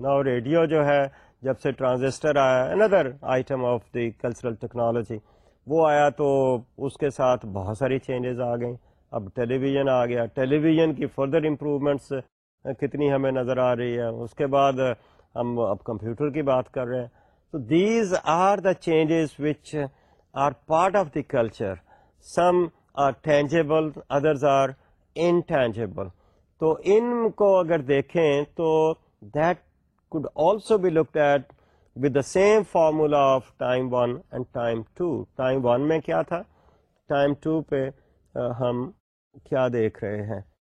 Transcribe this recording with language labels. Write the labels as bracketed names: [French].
[Urdu] Now radio jo hai, جب سے transistor آیا, اندر item of the cultural technology, وہ آیا تو اس کے ساتھ بہت ساری چینجز آ گئیں. اب ٹیلی ویژن آ گیا, ٹیلی ویژن کی فردر امپروومنٹس کتنی ہمیں نظر آ رہی ہے. اس کے بعد ہم اب کمپیوٹر کی بات کر رہے ہیں. [English] تو these are the changes which are part of the culture. Some are tangible, others are intangible. [Urdu] تو ان کو اگر دیکھیں تو [English] That could also be looked at with the same formula of time 1 and time 2. [Urdu] Time 1 mein kya tha? Time 2 pe hum kya dekh rahe hain?